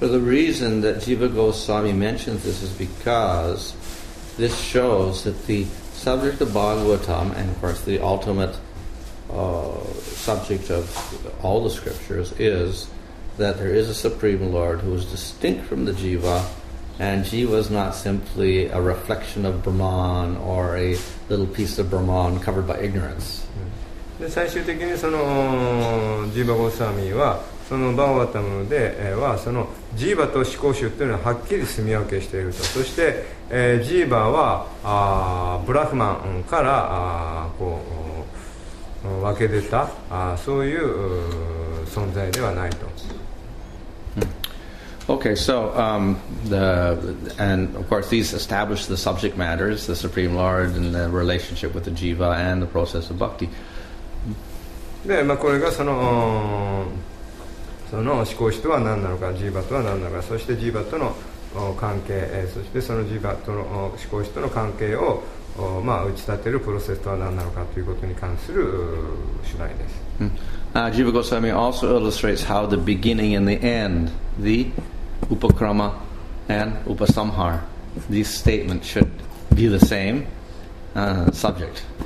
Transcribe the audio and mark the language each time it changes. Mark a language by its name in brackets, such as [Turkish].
[English] The reason that Jiva Goswami mentions this is because this shows that the subject of Bhagavatam and of course the ultimate subject of all the scriptures is that there is a Supreme Lord who is distinct from the Jiva, and Jiva is not simply a reflection of Brahman or a little piece of Brahman covered by ignorance. [Japanese] で最終的にそのジーバ・ゴサミはそのバーワタムではそのジーバと思考集というのははっきり住み分けしていると、そしてジーバはブラフマンからこう分け出たそういう存在ではないと。 [English] Okay, so and of course these establish the subject matters, the Supreme Lord and the relationship with the Jiva and the process of bhakti. [Japanese] で、まあ、これがその思考主とは何なのか、ジーバとは何なのか、そしてジーバとの関係、そしてそのジーバとの思考主との関係を、まあ、打ち立てるプロセスとは何なのかということに関する主題です。 [English] Jiva Goswami also illustrates how the beginning and the end, the upakrama and upasamhar, these statements should be the same subject.